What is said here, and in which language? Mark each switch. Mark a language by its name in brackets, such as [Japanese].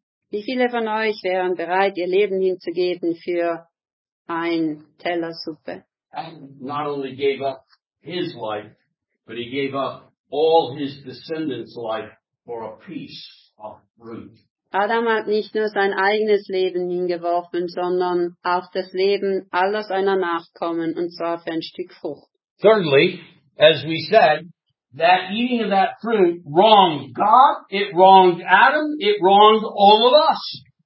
[German] Wie viele von euch wären bereit, ihr Leben hinzugeben für ein Teller Suppe? [English] Not only gave up his life, but he gave up all his descendants' life for a piece of fruit. [German] Adam hat nicht nur sein eigenes Leben hingeworfen, sondern auch das Leben aller seiner Nachkommen, und zwar für ein Stück Frucht. [English] Thirdly, as we said, that eating of that fruit wronged God, it wronged Adam, it wronged all of us.